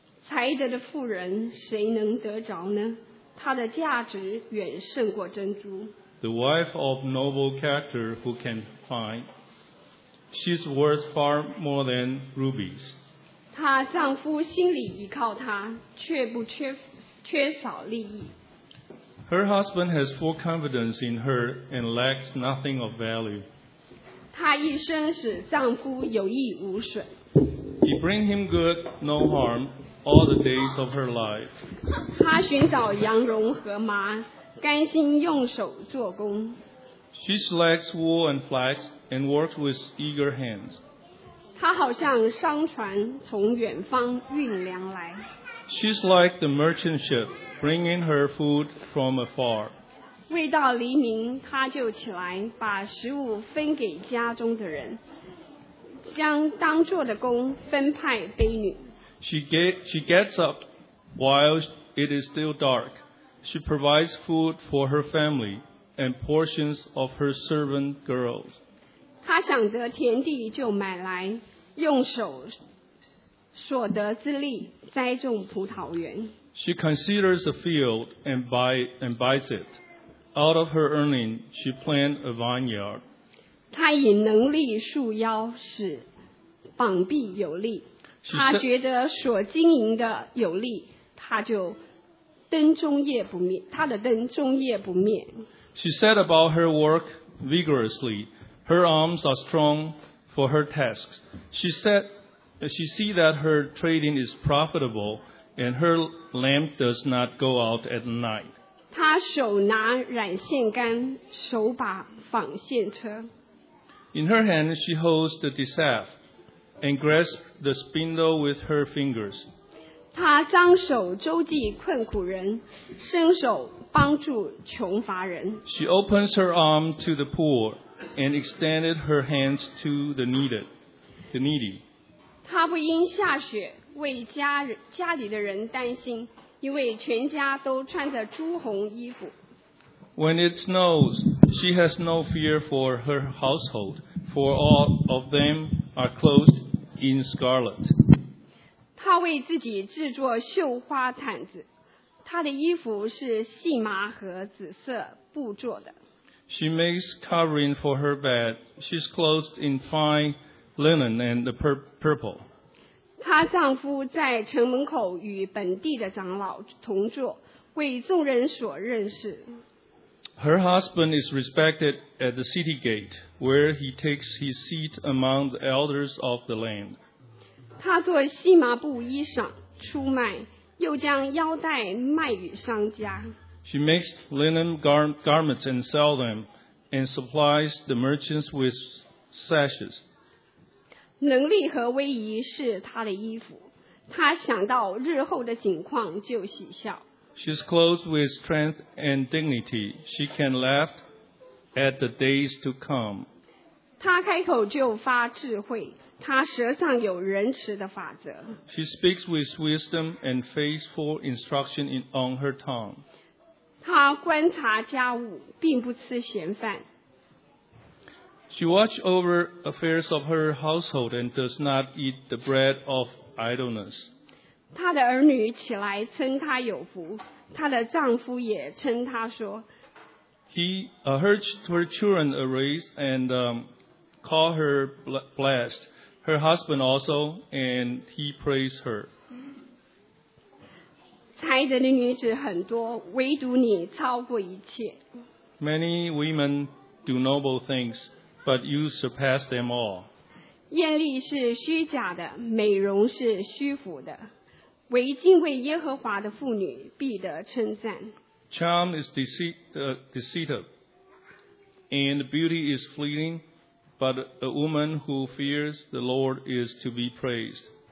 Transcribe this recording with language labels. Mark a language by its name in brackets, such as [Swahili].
[Chinese] 才德的妇人谁能得着呢？她的价值远胜过珍珠。 [English] The wife of noble character, who can find? She's worth far more than rubies. [Chinese] 她丈夫心里依靠她，却不缺少利益。 [English] Her husband has full confidence in her and lacks nothing of value. [Chinese] 她一生使丈夫有益无损。 [English] He brings him good, no harm, all the days of her life. [Chinese] 她寻找羊绒和麻，甘心用手做工。 [English] She selects wool and flax and works with eager hands. [Chinese] 她好像商船从远方运粮来。 [English] She's like the merchant ship, bringing her food from afar. [Chinese] 未到黎明，她就起来，把食物分给家中的人，将当做的工分派婢女。 [English] She gets up while it is still dark. She provides food for her family and portions of her servant girls. [Chinese] 她想得田地就买来，用手所得之力栽种葡萄园。 [English] She considers a field and buys it. Out of her earning, she planted a vineyard. [Chinese] 她以能力束腰，使膀臂有力。她觉得所经营的有力，她就灯中夜不灭，她的灯中夜不灭。 [English] She set about her work vigorously. Her arms are strong for her tasks. She see that her trading is profitable, and her lamp does not go out at night. [Chinese] 她手拿染线杆，手把纺线车。 [English] In her hand, she holds the distaff and grasps the spindle with her fingers. [Chinese] 她张手周济困苦人，伸手帮助穷乏人。 [English] She opens her arm to the poor and extended her hands to the needy. [Chinese] 她不因下雪为家里的人担心，因为全家都穿着朱红衣服。 [English] When it snows, she has no fear for her household, for all of them are clothed in scarlet. [Chinese] 她为自己制作绣花毯子，她的衣服是细麻和紫色布做的。 [English] She makes covering for her bed. She's clothed in fine linen and the purple. [Chinese] 她丈夫在城门口与本地的长老同坐，为众人所认识。 [English] Her husband is respected at the city gate, where he takes his seat among the elders of the land. [Chinese] 他做细麻布衣裳出卖，又将腰带卖与商家。 [English] She makes linen garments and sells them, and supplies the merchants with sashes. [Chinese] 能力和威仪是他的衣服，他想到日后的景况就喜笑。 [English] She is clothed with strength and dignity. She can laugh at the days to come. [Chinese] 她开口就发智慧，她舌上有仁慈的法则。 [English] She speaks with wisdom and faithful instruction on her tongue. [Chinese] 她观察家务，并不吃闲饭。 [English] She watches over affairs of her household and does not eat the bread of idleness. [Chinese] 她的儿女起来称她有福，她的丈夫也称她说。 [English] Her children arise and call her blessed. Her husband also, and he praises her. [Chinese] 才德的女子很多，唯独你超过一切。 [English] Many women do noble things, but you surpass them all. [Chinese] 艳丽是虚假的，美容是虚浮的。唯敬畏耶和华的妇女必得称赞。 [English] Charm is deceitful, and beauty is fleeting, but a woman who fears the Lord is to be praised.